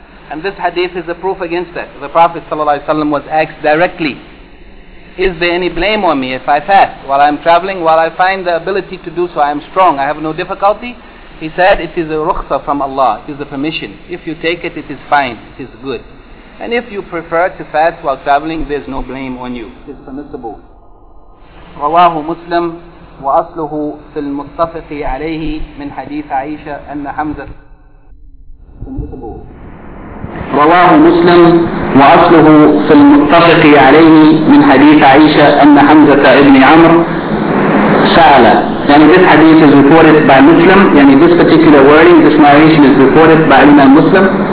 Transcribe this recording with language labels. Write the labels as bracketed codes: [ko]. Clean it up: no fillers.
[en] And this hadith is a proof against that. The Prophet ﷺ was asked directly, is there any blame on me if I fast while I'm traveling, while I find the ability to do so, I'm strong, I have no difficulty? He said, it is a rukhsa from Allah, it is a permission. If you take it, it is fine, it is good. And if you prefer to fast while traveling, there's no blame on you. It is permissible. [ar] رواه مسلم وأصله في المتفق عليه من حديث عائشة أن حمزة رواه مسلم وأصله في المتفق عليه من حديث عائشة أن حمزة ابن عمرو سأل. [en] يعني this hadith is reported by Muslim. يعني this particular wording, this narration is reported by Imam Muslim.